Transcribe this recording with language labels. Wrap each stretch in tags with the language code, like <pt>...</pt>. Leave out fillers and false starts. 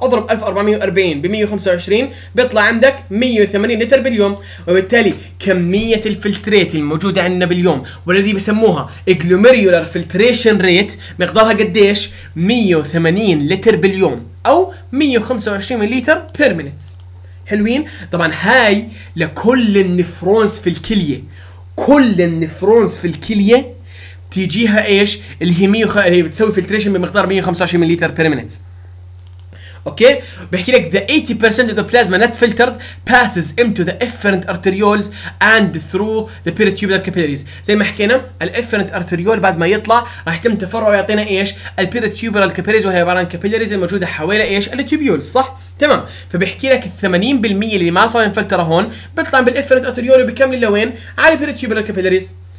<ar>اضرب 1440 ب 125 بيطلع عندك 180 لتر باليوم وبالتالي كميه الفلتريت الموجوده عندنا باليوم والذي بسموها جلوميرولر فلتريشن ريت مقدارها قديش؟ 180 لتر باليوم او 125 مليلتر بير مينيت. حلوين. طبعا هاي لكل النفرونز في الكليه. كل النفرونز في الكليه تيجيها ايش الهيميو اللي بتسوي فلتريشن بمقدار 125 مليلتر بير مينيت.</ar> <en>okay</en> <ar>بحكي لك</ar> <en>the 80% of the plasma not filtered passes into the efferent arterioles and through the peritubular capillaries.</en> <ar>زي ما حكينا الافرنت ارتريول بعد ما يطلع راح يتم تفرعه ويعطينا ايش البيريتيوبرال كابيلاريز وهي عباره عن كابيلاريز الموجوده حوالي ايش التوبيول صح. تمام. فبحكي لك ال 80% اللي ما صار ينفلتر هون بيطلع بالافرنت ارتريول وبيكمل لوين؟ على البيريتيوبرال كابيلاريز.</ar>